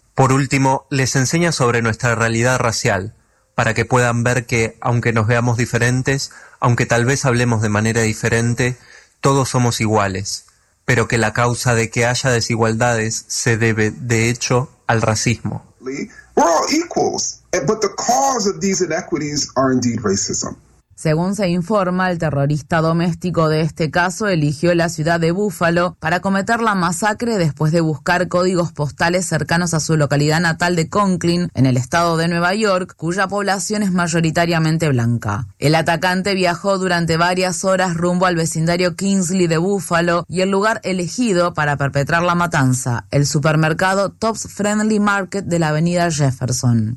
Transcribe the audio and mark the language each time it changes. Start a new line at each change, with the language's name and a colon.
Spanish: Por último, les enseña sobre nuestra realidad racial, para que puedan ver que, aunque nos veamos diferentes, aunque tal vez hablemos de manera diferente, todos somos iguales, pero que la causa de que haya desigualdades se debe, de hecho, al racismo.
English: We're all equals, but the cause of these inequities are indeed racism."
Spanish: Según se informa, el terrorista doméstico de este caso eligió la ciudad de Buffalo para cometer la masacre después de buscar códigos postales cercanos a su localidad natal de Conklin, en el estado de Nueva York, cuya población es mayoritariamente blanca. El atacante viajó durante varias horas rumbo al vecindario Kingsley de Buffalo y el lugar elegido para perpetrar la matanza, el supermercado Tops Friendly Market de la avenida Jefferson.